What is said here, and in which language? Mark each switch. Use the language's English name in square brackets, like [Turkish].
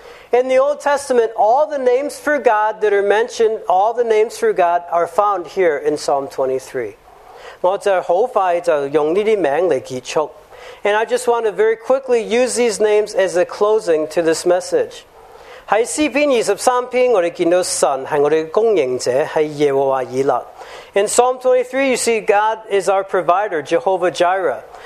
[English] In the Old Testament, all the names for God that are mentioned, all the names for God are found here in Psalm 23. [Chinese] 我就很快就用这些名来结束. [English] And I just want to very quickly use these names as a closing to this message. [Chinese] 在诗篇23篇，我们看到神是我们的供应者，是耶和华以勒. [English] In Psalm 23, you see God is our provider, Jehovah Jireh.